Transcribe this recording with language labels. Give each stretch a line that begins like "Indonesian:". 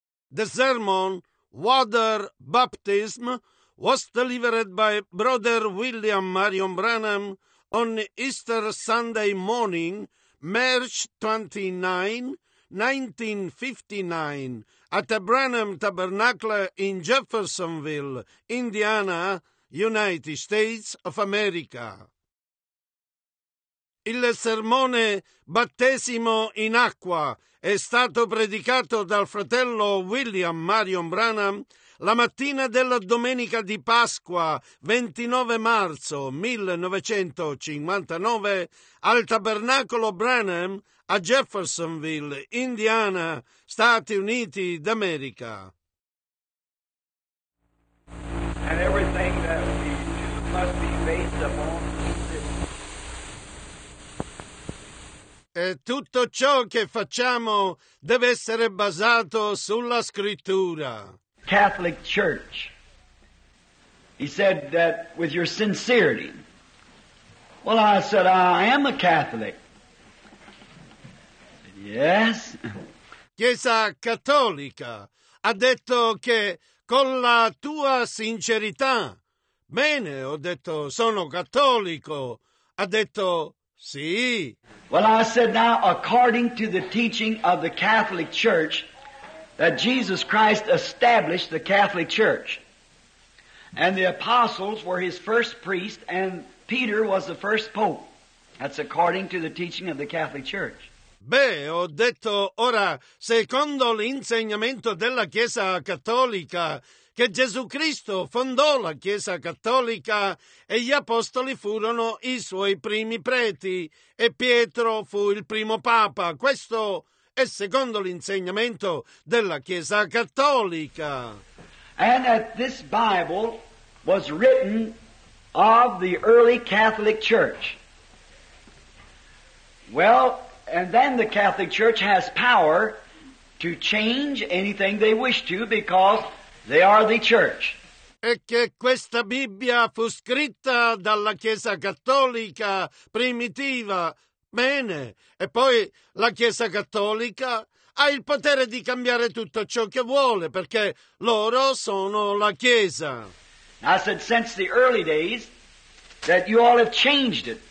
English: The sermon, Water Baptism, was delivered by Brother William Marion Branham on Easter Sunday morning, March 29, 1959, at the Branham Tabernacle in Jeffersonville, Indiana, United States of America.
Italian: Il sermone Battesimo in acqua è stato predicato dal fratello William Marion Branham la mattina della domenica di Pasqua, 29 marzo 1959, al Tabernacolo Branham a Jeffersonville, Indiana, Stati Uniti d'America.
English: And everything that we do must be based upon.
Italian: E tutto ciò che facciamo deve essere basato sulla scrittura.
English: Catholic Church. He said that with your sincerity. Well, I said, I am a Catholic. Yes.
Italian: Chiesa Cattolica ha detto che con la tua sincerità. Bene, ho detto, sono cattolico. Ha detto, sì.
English: Well, I said, now, according to the teaching of the Catholic Church, that Jesus Christ established the Catholic Church, and the apostles were his first priest, and Peter was the first pope. That's according to the teaching of the Catholic Church.
Italian: Beh, ho detto, ora, secondo l'insegnamento della Chiesa Cattolica, che Gesù Cristo fondò la Chiesa Cattolica e gli apostoli furono i suoi primi preti e Pietro fu il primo papa. Questo è secondo l'insegnamento della Chiesa Cattolica.
English: And that this Bible was written of the early Catholic Church. Well, and then the Catholic Church has power to change anything they wish to because they are the church.
Italian: E che questa Bibbia fu scritta dalla Chiesa Cattolica primitiva. Bene. E poi la Chiesa Cattolica ha il potere di cambiare tutto ciò che vuole perché loro sono la Chiesa.
English: I said, since the early days, that you all have changed it.